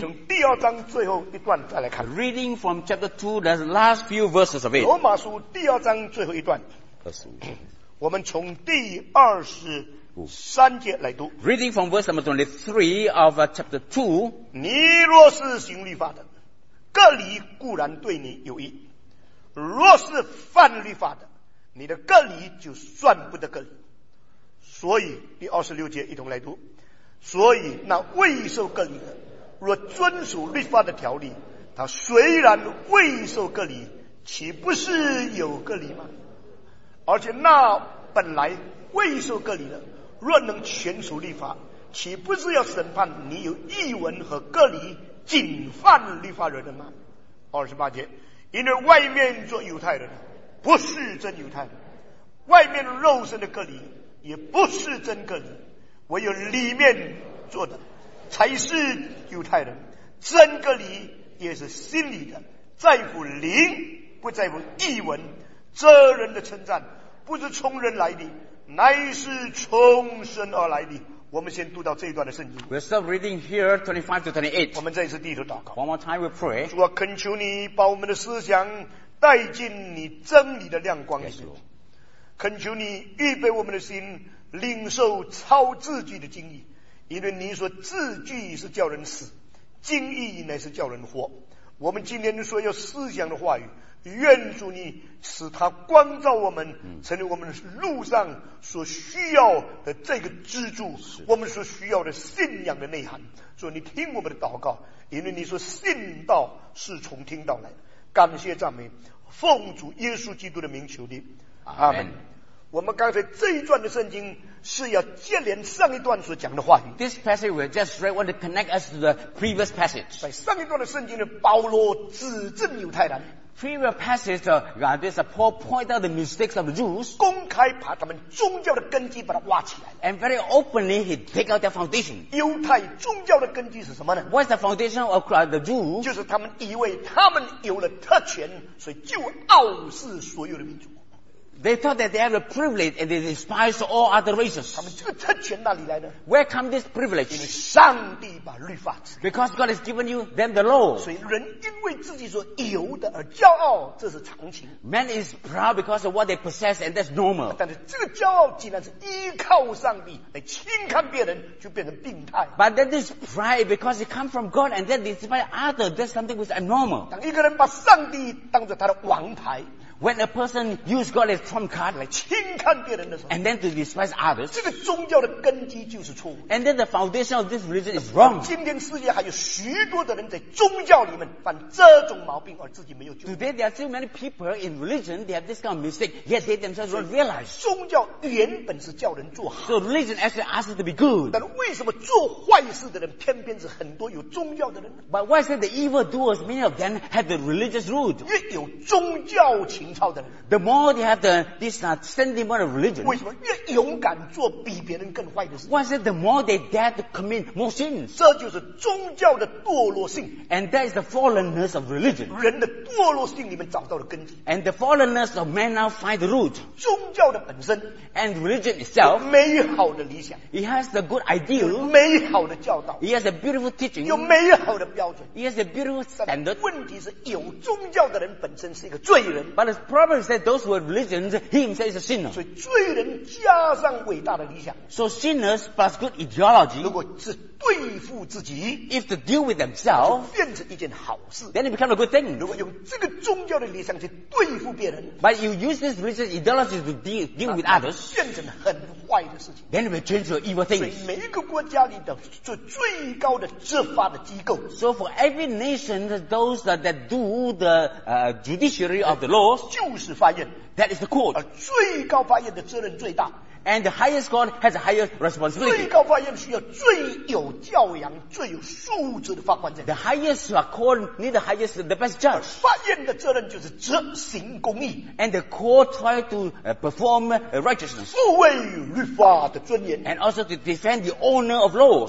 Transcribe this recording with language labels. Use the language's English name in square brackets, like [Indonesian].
[Chinese] 从第二章最后一段再来看。 [English] Reading from chapter 2, the last few verses of it. [Chinese] 罗马书第二章最后一段。我们从第二十三节来读。 [English] Reading from verse number 23 of chapter 2. [Chinese] 你若是行律法的，割礼固然对你有益；若是犯律法的，你的割礼就算不得割礼。所以第二十六节一同来读。所以那未受割礼的，若遵守律法的条例，他虽然未受割礼，岂不是有割礼吗？而且那本来未受割礼的，若能全守律法，岂不是要审判你有义文和割礼仅犯律法人的吗？二十八节，因为外面做犹太人不是真犹太人，外面肉身的割礼也不是真割礼，唯有里面做的才是犹太人。真割礼也是心里的，在乎灵，不在乎义文。这人的称赞不是从人来的，乃是从神而来的。我们先读到这一段的圣经。 [English] We'll stop reading here 25 to 28. [Chinese] 我们再一次低头祷告。 [English] One more time we pray. [Chinese] 主啊，恳求你把我们的思想带进你真理的亮光里面。 [English] Yes, Lord. [Chinese] 恳求你预备我们的心，领受超字句的经义，因为你说字句是叫人死，经义乃是叫人活。我们今天说要思想的话语，愿主你使他光照我们，成为我们路上所需要的这个支柱，我们所需要的信仰的内涵。所以你听我们的祷告，因为你说信道是从听道来的。感谢赞美，奉主耶稣基督的名求的，阿门。我们刚才这一段的圣经是要接连上一段所讲的话语。 [English] This passage we just read want to connect us to the previous passage. [Chinese] 在上一段的圣经呢，保罗指证犹太人。 [English] Previous passage, this Paul pointed out the mistakes of the Jews. [Chinese] 公开把他们宗教的根基把它挖起来。 [English] And very openly he take out their foundation. [Chinese] 犹太宗教的根基是什么呢 [English] ？What's the foundation of the Jews? [Chinese] 就是他们以为他们有了特权，所以就傲视所有的民族。 [English] They thought that they have a privilege and they despise all other races. [Chinese] 他们这个特权哪里来的？ [English] Where come this privilege? [Chinese] 因为上帝把律法赐。 [English] Because God has given you them the law. [Chinese] 所以人因为自己所有的而骄傲，这是常情。 [English] Man is proud because of what they possess and that's normal. [Chinese] 但是这个骄傲既然是依靠上帝来轻看别人，就变成病态。 [English] But then this pride because it comes from God and then despise other, that's something which is abnormal. [Chinese] 当一个人把上帝当作他的王牌。 [English] When a person uses God as trump card, [Chinese] 来轻看别人的时候， [English] and then to despise others, [Chinese] 这个宗教的根基就是错误。 [English] And then the foundation of this religion is wrong. [Chinese] 今天世界还有许多的人在宗教里面犯这种毛病，而自己没有救。 [English] Today there are still many people in religion they have this kind of mistake, yet they themselves don't realize. [Chinese] 宗教原本是叫人做好。 [English] So religion actually asks us to be good. [Chinese] 但为什么做坏事的人偏偏是很多有宗教的人？ [English] But why is it the evil doers many of them have the religious root? [Chinese] 越有宗教情。 [English] The more they have this sentiment of religion, [Chinese] 为什么越勇敢做比别人更坏的事？ [English] Why is it the more they dare to commit more sins? [Chinese] 这就是宗教的堕落性。 [English] And that is the fallenness of religion. [Chinese] 人的堕落性里面找到了根基。 [English] And the fallenness of man now find the root. [Chinese] 宗教的本身。 [English] And religion itself. [Chinese] 有美好的理想。 [English] It has the good ideal. [Chinese] 有美好的教导。 [English] It has a beautiful teaching. [Chinese] 有美好的标准。 [English] It has a beautiful standard. [Chinese] 问题是有宗教的人本身是一个罪人。 [English] But the problem is that those who have religions, he himself is a sinner. [Chinese] 所以罪人加上伟大的理想。 [English] So sinners plus good ideology. [Chinese] 如果是对付自己， [English] if to deal with themselves, [Chinese] 就变成一件好事。 [English] Then it becomes a good thing. [Chinese] 如果用这个宗教的理想去对付别人， [English] but you use this religious ideology to deal with others, [Chinese] 变成很坏的事情。 [English] Then it will change to evil things. [Chinese] 所以每一个国家里的最高的执法的机构， [English] So for every nation, those that do the judiciary of the law, [Chinese] 就是法院。 [English] That is the court. [Chinese] 而最高法院的责任最大。 [English] And the highest court has the highest responsibility. [Chinese] 最高法院需要最有教养、最有素质的法官在。 [English] The highest court need the highest, the best judge. [Chinese] 法院的责任就是执行公义。 [English] And the court try to perform righteousness. [Chinese] 护卫律法的尊严。 [English] And also to defend the honor of laws.